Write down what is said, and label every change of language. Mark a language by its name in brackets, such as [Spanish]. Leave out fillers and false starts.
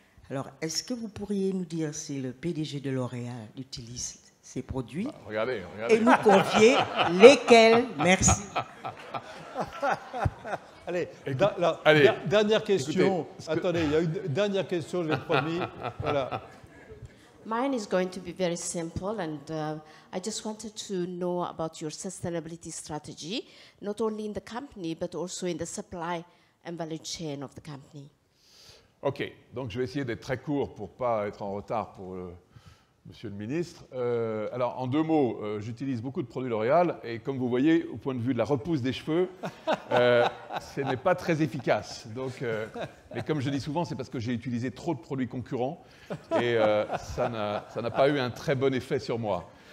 [French] Alors, est-ce que vous pourriez nous dire si le PDG de L'Oréal utilise ces produits? Bah, regardez. Et nous confier lesquels? Merci. Allez, dernière question. Écoutez, attendez, il y a une dernière question, je l'ai promis. Voilà. [English] Mine is going to be very simple, and I just wanted to know about your sustainability strategy, not only in the company, but also in the supply and value chain of the company. [French] OK, donc je vais essayer d'être très court pour ne pas être en retard pour monsieur le ministre. Alors, en deux mots, j'utilise beaucoup de produits L'Oréal, et comme vous voyez, au point de vue de la repousse des cheveux, ce n'est pas très efficace. Donc, mais comme je dis souvent, c'est parce que j'ai utilisé trop de produits concurrents, et ça n'a pas eu un très bon effet sur moi.